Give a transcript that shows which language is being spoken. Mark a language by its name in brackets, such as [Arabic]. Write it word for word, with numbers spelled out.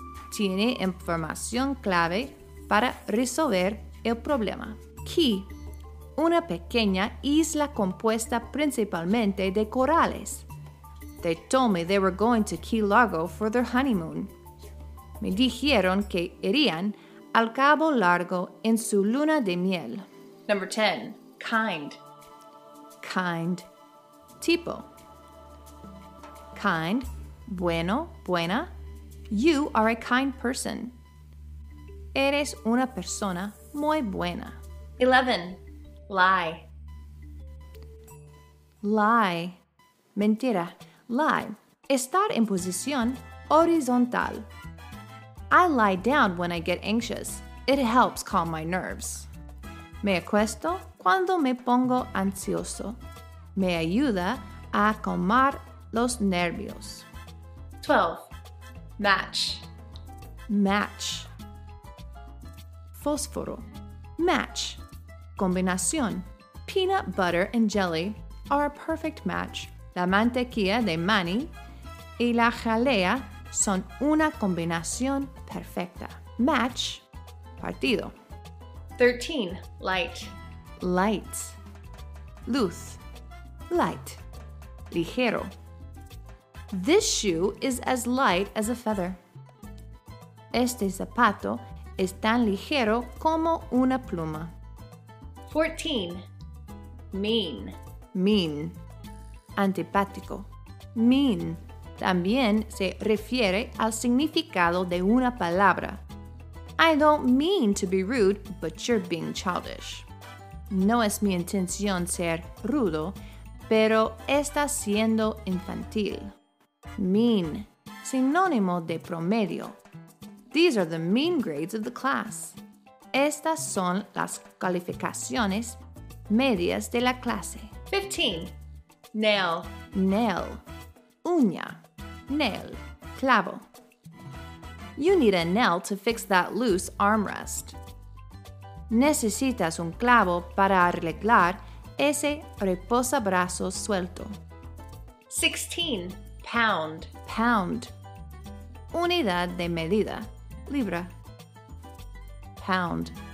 [Spanish] Tiene información clave para resolver el problema. Key. Una pequeña isla compuesta principalmente de corales. [English] They told me they were going to Key Largo for their honeymoon. [Spanish] Me dijeron que irían al Cabo Largo en su luna de miel. [English] Number ten. Kind. Kind. Tipo. Kind. [Spanish] Bueno, buena. [English] You are a kind person. [Spanish] Eres una persona muy buena. [English] eleven. Lie. [Spanish] Lie. Mentira. Lie. Estar en posición horizontal. [English] I lie down when I get anxious. It helps calm my nerves. [Spanish] Me acuesto cuando me pongo ansioso. Me ayuda a calmar los nervios. [English] twelve. Match. Match. Fósforo. Match. Combinación. Peanut butter and jelly are a perfect match. [Spanish] La mantequilla de maní y la jalea son una combinación perfecta. [English] Match. Partido. thirteen. Light. Light. Luz. Light. Ligero. This shoe is as light as a feather. [Spanish] Este zapato es tan ligero como una pluma. [English] fourteen. Mean. Mean. Antipático. Mean. [Spanish] También se refiere al significado de una palabra. [English] I don't mean to be rude, but you're being childish. [Spanish] No es mi intención ser rudo, pero estás siendo infantil. Mean. Sinónimo de promedio. [English] These are the mean grades of the class. [Spanish] Estas son las calificaciones medias de la clase. [English] fifteen. Nail. Nail. Uña. Nail. Clavo. You need a nail to fix that loose armrest. [Spanish] Necesitas un clavo para arreglar ese reposabrazos suelto. [English] sixteen. Pound. [Spanish] Pound. Unidad de medida. Libra. Pound.